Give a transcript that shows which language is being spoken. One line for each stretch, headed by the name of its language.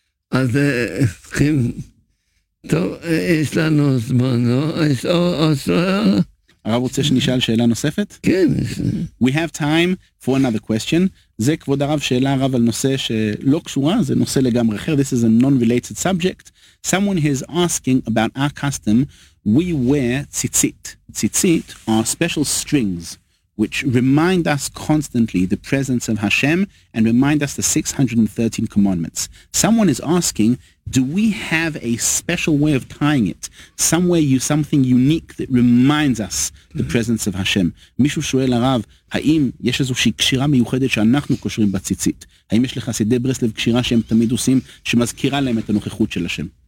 Hebrew: אז צריכים, טוב, יש לנו זמן, לא? יש עוד שאלה? הרב רוצה שנשאל שאלה נוספת? כן.
English: We have time for another question.
Hebrew: זה כבוד הרב שאלה הרב על נושא שלא קשורה, זה נושא לגמרי אחר.
English: This is a non-related subject. Someone is asking about our custom. We wear tzitzit. Tzitzit are special strings, which remind us constantly the presence of Hashem and remind us the 613 commandments. Someone is asking, do we have a special way of tying it? Somewhere you, something unique that reminds us the presence of Hashem.
Hebrew: מישהו שואל הרב, האם יש איזושהי קשירה מיוחדת שאנחנו קושרים בציצית? האם יש לך חסידי ברסלב קשירה שהם תמיד עושים שמזכירה להם את הנוכחות של השם?